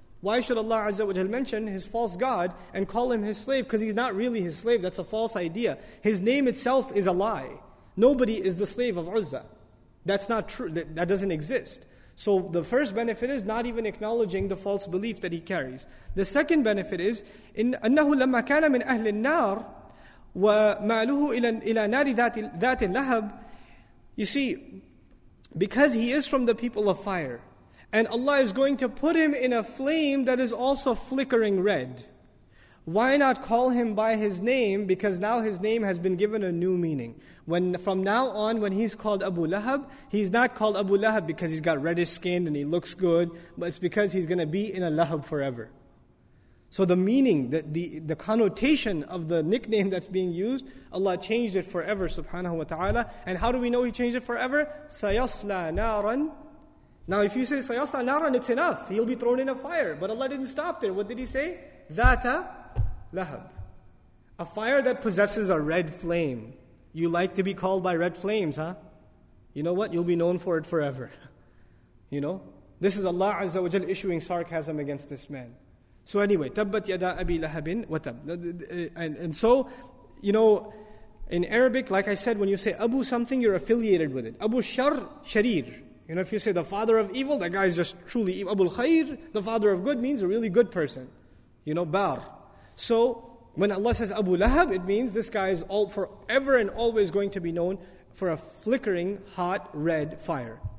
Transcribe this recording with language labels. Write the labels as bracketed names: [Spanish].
[English] Why should Allah Azza wa Jal mention his false god and call him his slave? Because he's not really his slave. That's a false idea. His name itself is a lie. Nobody is the slave of Uzza. That's not true. That doesn't exist. So the first benefit is not even acknowledging the false belief that he carries. The second benefit is, in [Arabic] أَنَّهُ لَمَّا كَانَ مِنْ أَهْلِ النَّارِ وَمَعْلُهُ إِلَى نَارِ ذَاتِ اللَّهَبِ. [English] You see, because he is from the people of fire, and Allah is going to put him in a flame that is also flickering red, why not call him by his name? Because now his name has been given a new meaning. When from now on, when he's called Abu Lahab, he's not called Abu Lahab because he's got reddish skin and he looks good, but it's because he's going to be in a Lahab forever. So the meaning, the connotation of the nickname that's being used, Allah changed it forever, subhanahu wa ta'ala. And how do we know He changed it forever? Sayasla naran. Now if you say sayasla naran, it's enough. He'll be thrown in a fire. But Allah didn't stop there. What did He say? Thata lahab. A fire that possesses a red flame. You like to be called by red flames, huh? You know what? You'll be known for it forever. You know? This is Allah Azza wa Jal issuing sarcasm against this man. So anyway, [Arabic] تَبَّتْ يَدَى أَبِي لَهَبٍ وَتَبْ. [English] And so, you know, in Arabic, like I said, when you say Abu something, you're affiliated with it. Abu Shar, Sharir. You know, if you say the father of evil, that guy is just truly evil. Abu Khair, the father of good, means a really good person. You know, Bar. So, when Allah says Abu Lahab, it means this guy is all forever and always going to be known for a flickering, hot, red fire.